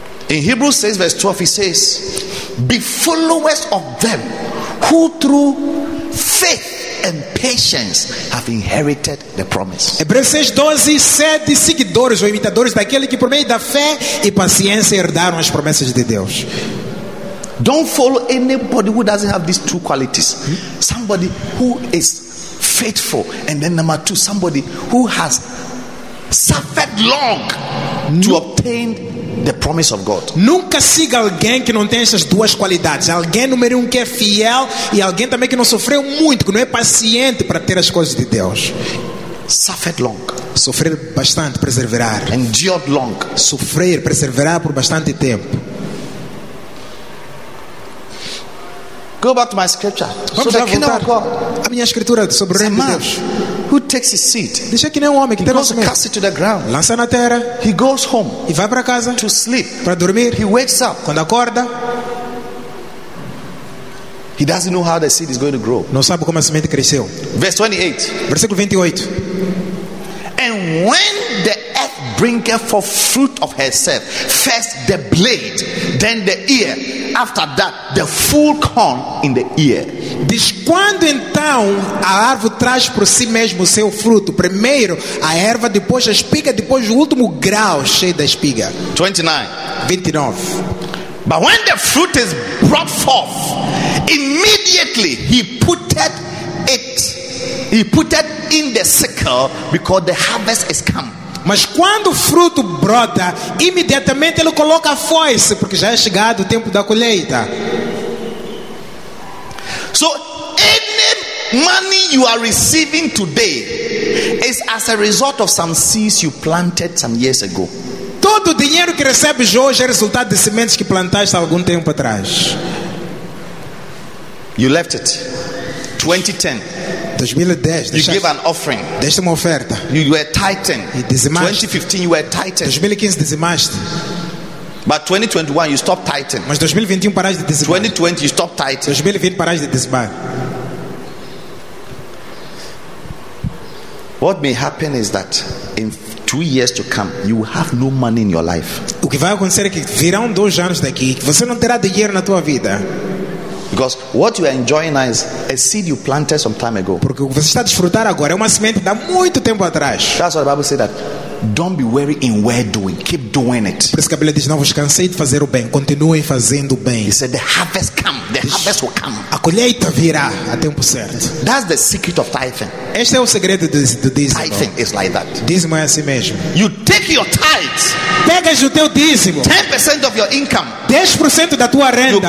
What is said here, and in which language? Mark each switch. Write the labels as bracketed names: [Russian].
[English] In Hebrews 6 verse 12, it says, be followers of them who through faith and patience have inherited the promise. [Portuguese] Hebreus 6:12, sede seguidores ou imitadores daquele que por meio da fé e paciência herdaram as promessas de Deus. [English] Don't follow anybody who doesn't have these two qualities. Somebody who is faithful, and then number 2, somebody who has suffered long to obtain the promise of God. [Portuguese] Nunca siga alguém que não tem essas duas qualidades. Alguém número 1 que é fiel e alguém também que não sofreu muito, que não é paciente para ter as coisas de Deus. [English] Suffered long. [Portuguese] Sofrer bastante, perseverar. [English] Endured long. [Portuguese] Sofrer, perseverar por bastante tempo. [English] Go back to my scripture. [Portuguese] Vamos [English] so the kingdom of God. [Portuguese] A minha escritura sobre o reino de Deus. [English] Who takes his seat? [Portuguese] Deixa que nem homem que [English] he goes and casts it to the ground. [Portuguese] Lança na terra. [English] He goes home. [Portuguese] E vai para casa. [English] To sleep. [Portuguese] Para dormir. [English] He wakes up. [Portuguese] Quando acorda. [English] He doesn't know how the seed is going to grow. [Portuguese] Não sabe como a semente cresceu. [English] Verse 28. [Portuguese] Versículo 28. [English] And when the earth bringeth forth fruit of herself, first the blade, then the ear, after that the full corn in the ear. [Portuguese] Diz quando então a árvore traz por si mesmo o seu fruto, primeiro a erva, depois a espiga, depois o último grão cheio da espiga. [English] 29. But when the fruit is brought forth, immediately he putteth in the sickle, because the harvest is come. [Portuguese] Mas quando o fruto brota, imediatamente ele coloca a foice, porque já é chegado o tempo da colheita. [English] So any money you are receiving today is as a result of some seeds you planted some years ago. [Portuguese] Todo o dinheiro que recebes hoje é resultado de sementes que plantaste há algum tempo atrás. [English] You left it. 2010. [Portuguese] 2010, [English] you gave an offering. [Portuguese] Deste uma oferta. [English] You were tithing. [Portuguese] E dizimaste. [English] 2015, you were tithing. [Portuguese] 2015, dizimaste. [English] But 2021, you stopped tithing. [Portuguese] Mas 2021, paraste de dizimar. [English] 2020, you stopped tithing. [Portuguese] 2020, paraste de dizimar. [English] What may happen is that in 2 years to come, you will have no money in your life. [Portuguese] O que vai acontecer é que virão 2 anos daqui, você não terá dinheiro na tua vida. [English] what you are enjoying now is a seed you planted some time ago. [Portuguese] Porque o que você está a desfrutar agora é uma semente de muito tempo atrás. [English] That's what the Bible says, that don't be weary in well doing, keep doing it. [Portuguese] Por isso que a Bíblia diz, não vos cansei de fazer o bem, continuem fazendo o bem. [English] He said, the harvest come, the harvest will come. [Portuguese] A colheita virá a tempo certo. [English] That's the secret of tithe. [Portuguese] Este é o segredo do dízimo. [English] Tithe is like that. [Portuguese] Dízimo é assim mesmo. [English] You take your tithe. [Portuguese] Pegas o teu dízimo. [English] 10% of your income. [Portuguese] 10% da tua renda.